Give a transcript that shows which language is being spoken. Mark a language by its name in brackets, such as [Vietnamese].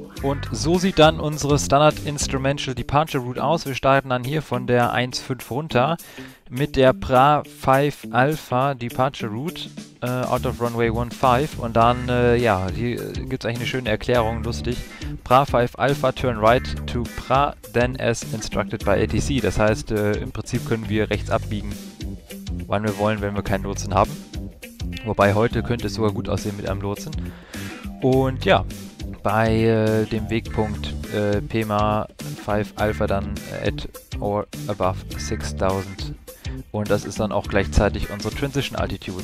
[German] Und so sieht dann unsere Standard Instrumental Departure Route aus. Wir starten dann hier von der 1.5 runter mit der PRA 5 Alpha Departure Route [English] out of Runway 15. [German] Und dann, hier gibt es eigentlich eine schöne Erklärung, lustig. [English] PRA 5 Alpha turn right to PRA, then as instructed by ATC. [German] Das heißt, im Prinzip können wir rechts abbiegen, wann wir wollen, wenn wir keinen Lotsen haben. Wobei heute könnte es sogar gut aussehen mit einem Lotsen. Und ja, bei dem Wegpunkt PEMA 5 Alpha dann [English] at or above 6000 [German] und das ist dann auch gleichzeitig unsere Transition Altitude.